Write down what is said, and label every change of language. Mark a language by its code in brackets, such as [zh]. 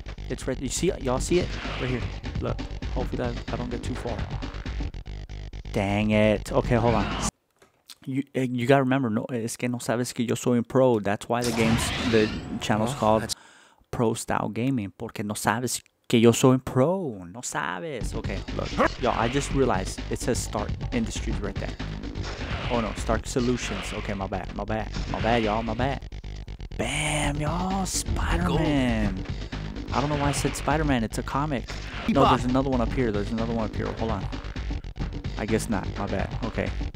[en] It's right there. You see, y'all see it? Right here. Look, hopefully that I don't get too far. Dang it. Okay, hold on. You gotta remember, [es] no, es que no sabes que yo soy un pro. [en] That's why the channel's called Pro Style Gaming. [es] Porque no sabes que yo soy un pro. No sabes. [en] Okay, look. Y'all, I just realized it says Start Industries right there. Oh no, Stark Solutions. Okay, my bad. My bad, y'all, my bad. Bam, y'all, Spider-Man. I don't know why I said Spider-Man, it's a comic. No, there's another one up here, hold on. I guess not, my bad, okay.